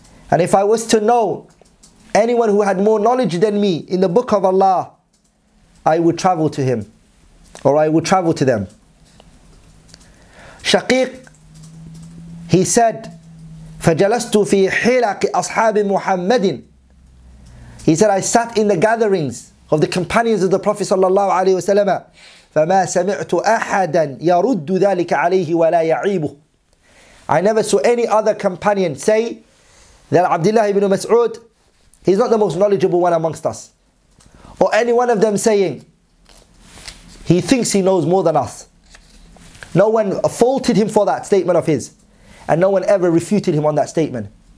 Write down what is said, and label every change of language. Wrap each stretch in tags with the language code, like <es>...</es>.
<en>And if I was to know anyone who had more knowledge than me in the Book of Allah, I would travel to him, or I would travel to them.</en> <ar>شقيق, he said, فَجَلَسْتُ فِي حِلَقِ أَصْحَابِ مُحَمَّدٍ.</ar> <en>He said, I sat in the gatherings of the companions of the Prophet sallallahu alayhi wa sallam.</en> <ar>فما سمعت أحدا يرد ذلك عليه ولا يعيبه.</ar> <en>I never saw any other companion say that Abdullah ibn Mas'ud, he's not the most knowledgeable one amongst us. Or any one of them saying, he thinks he knows more than us. No one faulted him for that statement of his. And no one ever refuted him on that statement.</en>